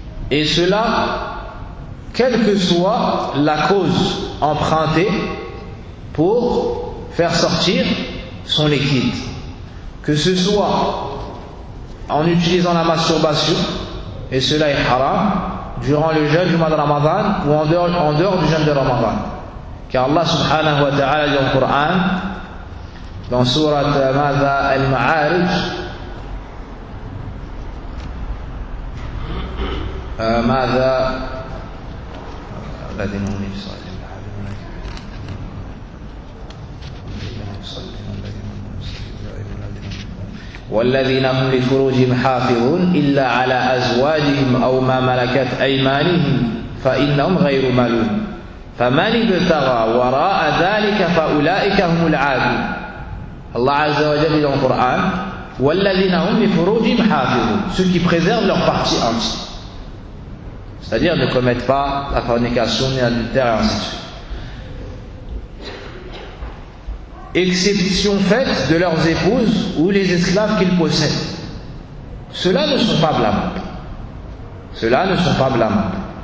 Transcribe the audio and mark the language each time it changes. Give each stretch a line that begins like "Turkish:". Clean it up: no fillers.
French: Et cela, quelle que soit la cause empruntée pour faire sortir son liquide, que ce soit en utilisant la masturbation, et cela est haram, durant le jeûne du mois de Ramadan ou en dehors du jeûne de Ramadan. Car Allah subhanahu wa ta'ala dit en Coran, dans Surat Mada al-Ma'arij, Mada al-Ma'arij,
Arabic: والذين هم لفروجهم حافظون إلا على أزواجهم أو ما ملكت أيمانهم فإنهم غير ملوم فمن ابتغى وراء ذلك فأولئك هم العادون. الله عز وجل في القرآن والذين هم لفروجهم حافظون.
French: Ceux qui préservent leur partie entière, c'est-à-dire ne commettent pas la fornication ni l'adultère, exception faite de leurs épouses ou les esclaves qu'ils possèdent. Ceux-là ne sont pas blâmables. Ceux-là ne sont pas blâmables.